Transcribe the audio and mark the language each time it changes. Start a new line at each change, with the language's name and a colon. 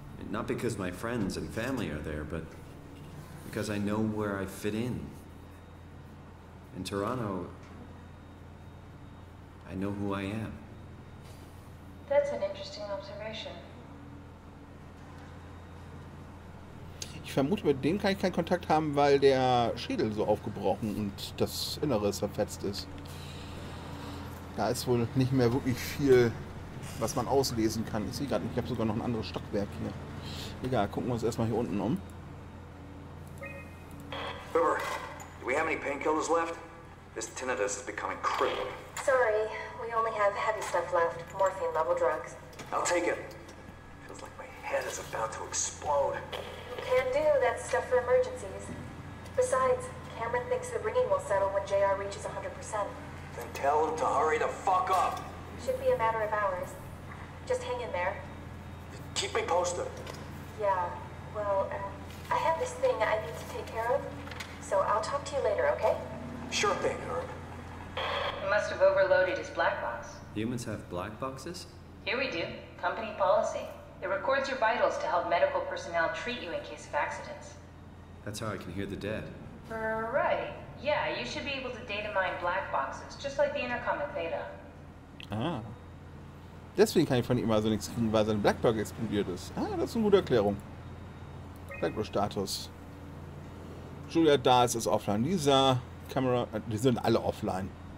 English: Not because my friends and family are there, but because I know where I fit in. In Toronto, I know who I am. That's an interesting observation.
German: Ich vermute, mit dem kann ich keinen Kontakt haben, weil der Schädel so aufgebrochen und das Innere zerfetzt ist. Da ist wohl nicht mehr wirklich viel, was man auslesen kann. Ich sehe gerade, ich habe sogar noch ein anderes Stockwerk hier. Egal, gucken wir uns erstmal hier unten um.
English: Boomer, do we have any painkillers left? This tinnitus is becoming critical. Sorry, we only have heavy stuff left. Morphine level drugs. I'll take it. Feels like my head is about to explode. Can do, that's stuff for emergencies. Besides, Cameron thinks the ringing will settle when JR reaches 100%. Then tell him to hurry the fuck up. Should be a matter of hours. Just hang in there. Keep me posted. Yeah, well, I have this thing I need to take care of. So I'll talk to you later, okay? Sure thing, Herb. He must have overloaded his black box. Humans have black boxes? Here we do. Company policy. It records your vitals to help medical personnel treat you in case of accidents. That's how I can hear the dead. Right. Yeah, you should be able to data mine black boxes, just like the intercom at Theta. Ah.
German: Deswegen kann ich von ihm also nichts kriegen, weil sein Blackbox explodiert ist. Ah, das ist eine gute Erklärung. Blackbox-Status. Julia, da ist es offline. Lisa, Kamera, die sind alle offline.